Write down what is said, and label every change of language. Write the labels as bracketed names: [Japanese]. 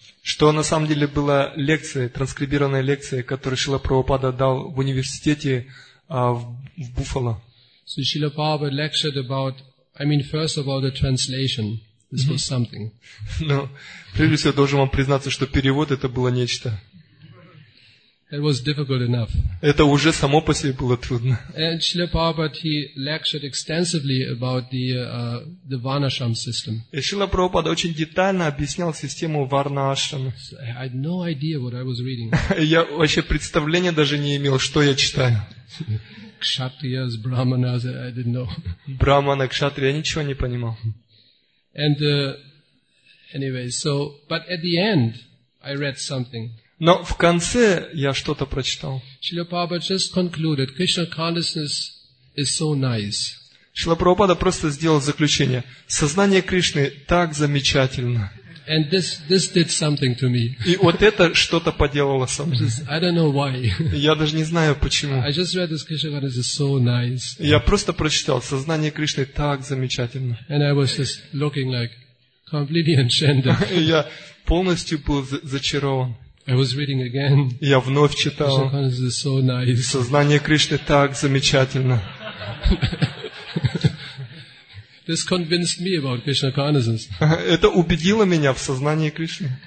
[Russian] Что на самом деле была лекция, транскрибированная лекция, которую Шрила Прабхупада дал в университете в Буффало. [English] So Srila Prabhupada lectured about, I mean, first of all, the translation. This was something. [Russian] Ну, прежде всего, должен вам признаться, что перевод это было нечто. [English] It was difficult enough. [Russian] Это уже само по себе было трудно. [English] And Srila Prabhupada, he lectured extensively about the Varnashram system. [Russian] И Шрила Прабхупада очень детально объяснял систему Варнашрама. [English] So I had no idea what I was reading. [Russian] Я вообще представления даже не имел, что я читаю. [English] Кшатриас, Брахманас, I didn't know. [Russian] Брахмана, кшатри, я ничего не понимал. [English] And anyway, so, but at the end, I read something. [Russian] Но в конце я что-то прочитал. [English] Srila Prabhupada just concluded, Krishna consciousness is so nice. [Russian] Srila Prabhupada просто сделал заключение. Сознание Кришны так замечательно. [English] And this did something to me. [Russian] И вот это что-то поделало со мной. [English] I don't know why. [Russian] Я даже не знаю почему. [English] I just read this Krishna consciousness so nice. [Russian] Я просто прочитал, сознание Кришны так замечательно. [English] And I was just looking like completely enchanted. [Russian] Я полностью был зачарован. [English] I was reading again. [Russian] Я вновь читал. [English] Krishna consciousness so nice. [Russian] Сознание Кришны так замечательно. [English] This convinced me about Krishna consciousness. [Russian] Это убедило меня в сознании Кришны.